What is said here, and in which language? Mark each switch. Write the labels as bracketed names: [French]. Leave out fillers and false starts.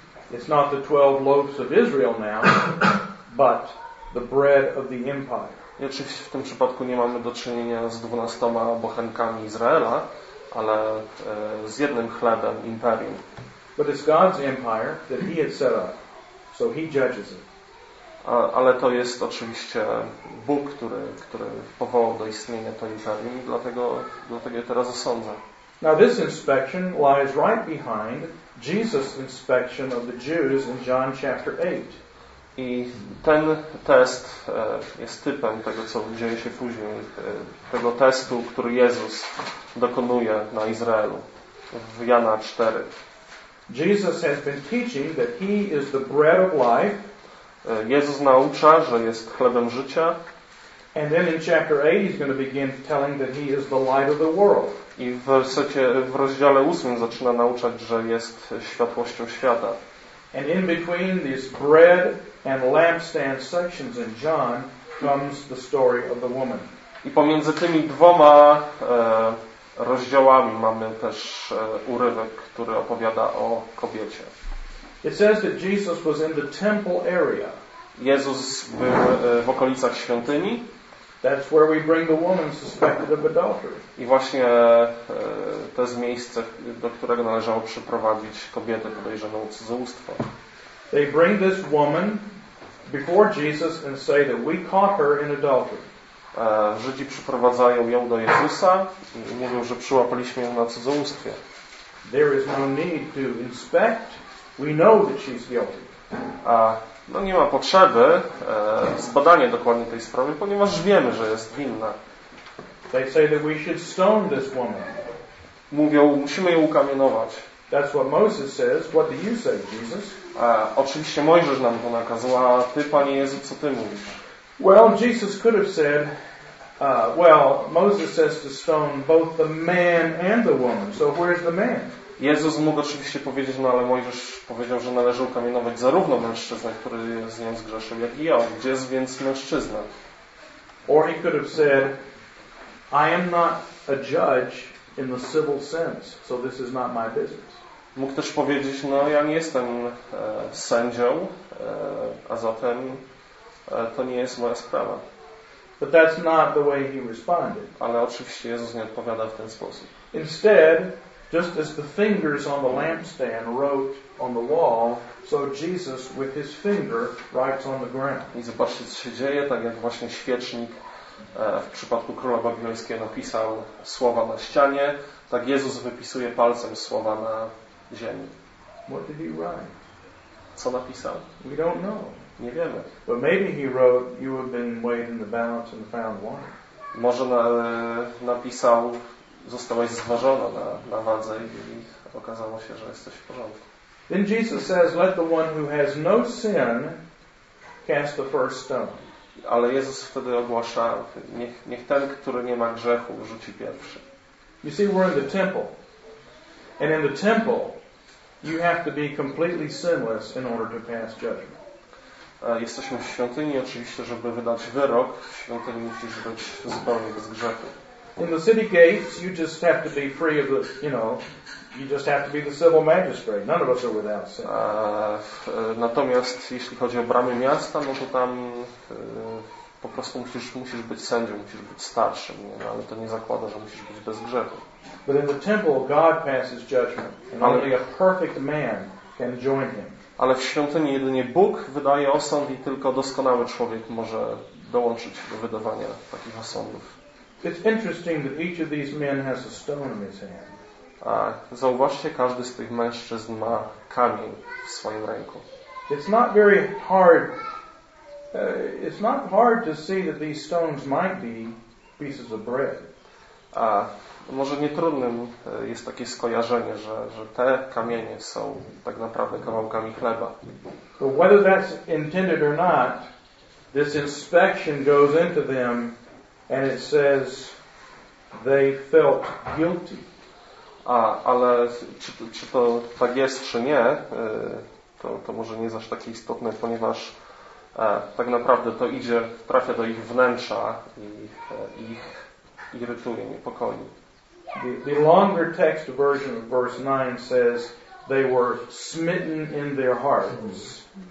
[English] It's not the 12 loaves of Israel now, but the bread of the empire. [Polish] I oczywiście w tym przypadku nie mamy do czynienia z 12 bochenkami Izraela, ale z jednym chlebem imperium. [English] But it's God's empire that he had set up, so he judges it. [Polish] Ale to jest oczywiście Bóg, który powołał do istnienia to imperium, dlatego je teraz osądza. [English] Now this inspection lies right behind Jesus' inspection of the Jews in John chapter 8. [Polish] I ten test jest typem tego, co dzieje się później, tego testu, który Jezus dokonuje na Izraelu w Jana 4. [English] Jesus has been teaching that he is the bread of life. [Polish] Jezus naucza, że jest chlebem życia. [English] And then in chapter 8 he's going to begin telling that he is the light of the world. [Polish] I w rozdziale 8 zaczyna nauczać, że jest światłością świata. [English] And in between this bread and lampstand sections in John comes the story of the woman. [Polish] I pomiędzy tymi dwoma rozdziałami mamy też urywek, który opowiada o kobiecie. [English] It says that Jesus was in the temple area. [Polish] Jezus był w okolicach świątyni. [English] That's where we bring the woman suspected of adultery. [Polish] I właśnie to jest miejsce, do którego należało przyprowadzić kobietę podejrzaną o cudzołóstwo. [English] They bring this woman before Jesus and say that we caught her in adultery. [Polish] Żydzi przyprowadzają ją do Jezusa i mówią, że przyłapaliśmy ją na cudzołóstwie. [English] There is no need to inspect. We know that she's guilty. [Polish] No nie ma potrzeby zbadania dokładnie tej sprawy, ponieważ wiemy, że jest winna. [English] They say that we should stone this woman. [Polish] Mówią, musimy ją ukamienować. [English] That's what Moses says. What do you say, Jesus? [Polish] Oczywiście Mojżesz nam to nakazał, a ty, Panie Jezu, co ty mówisz? [English] Well, Jesus could have said, Moses says to stone both the man and the woman. So where's the man? [Polish] Jezus mógł oczywiście powiedzieć, no ale Mojżesz powiedział, że należy ukamienować zarówno mężczyznę, który z nią zgrzeszył, jak i ją. Gdzie jest więc mężczyzna? [English] Or he could have said, I am not a judge in the civil sense, so this is not my business. [Polish] Mógł też powiedzieć, no ja nie jestem sędzią, a zatem to nie jest moja sprawa. [English] But that's not the way he responded. [Polish] Ale oczywiście Jezus nie odpowiada w ten sposób. [English] Instead, just as the fingers on the lampstand wrote on the wall, so Jesus with his finger writes on the ground. [Polish] I zobaczcie, co się dzieje, tak jak właśnie świecznik w przypadku króla babilońskiego napisał słowa na ścianie, tak Jezus wypisuje palcem słowa na ziemi. [English] What did he write? [Polish] Co napisał? [English] We don't know. [Polish] Nie wiemy. [English] But maybe he wrote, you have been weighed in the balance and found wanting. [Polish] Może napisał, zostałaś zważona na wadze i okazało się, że jesteś w porządku. [English] Then Jesus says, let the one who has no sin cast the first stone. [Polish] Ale Jezus wtedy ogłasza, niech ten, który nie ma grzechu, rzuci pierwszy. [English] You see, we're in the temple. And in the temple, you have to be completely sinless in order to pass judgment. [Polish] Jesteśmy w świątyni, oczywiście, żeby wydać wyrok, w świątyni musisz być zupełnie bez grzechu. [English] In the city gates, you just have to be free of the, you know, you just have to be the civil magistrate. None of us are without sin. [Polish] Natomiast jeśli chodzi o bramy miasta, no to tam po prostu musisz być sędzią, musisz być starszym, nie? No, ale to nie zakłada, że musisz być bez grzechu. [English] But in the temple, God passes judgment, and only a perfect man can join him. [Polish] Ale w świątyni jedynie Bóg wydaje osąd i tylko doskonały człowiek może dołączyć do wydawania takich osądów. [English] It's interesting that each of these men has a stone in his hand. A zauważcie, każdy z tych mężczyzn ma kamień w swoim ręku. It's not very hard. It's not hard to see that these stones might be pieces of bread. [Polish] A może nie trudnym jest takie skojarzenie, że te kamienie są tak naprawdę kawałkami chleba. [English] But whether that's intended or not, this inspection goes into them and it says they felt guilty. [Polish] A, ale czy to tak jest, czy nie, to może nie jest aż takie istotne, ponieważ tak naprawdę to idzie, trafia do ich wnętrza i ich irytuje, niepokoi. [English] The longer text version of verse 9 says they were smitten in their hearts.